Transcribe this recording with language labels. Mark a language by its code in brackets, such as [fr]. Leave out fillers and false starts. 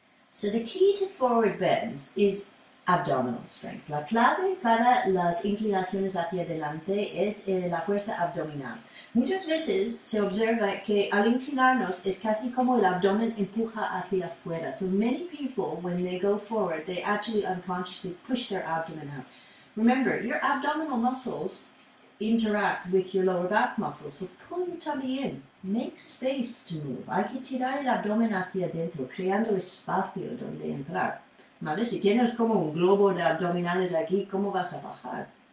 [en] So the key to forward bends is abdominal strength. [es] La clave para las inclinaciones hacia adelante es la fuerza abdominal. Muchas veces se observa que al inclinarnos es casi como el abdomen empuja hacia afuera. [en] So many people, when they go forward, they actually unconsciously push their abdomen out. Remember, your abdominal muscles interact with your lower back muscles. So pull your tummy in. Make space to move. [es] Hay que tirar el abdomen hacia adentro, creando espacio donde entrar. ¿Vale? Si tienes como un globo de abdominales aquí, ¿cómo vas a bajar?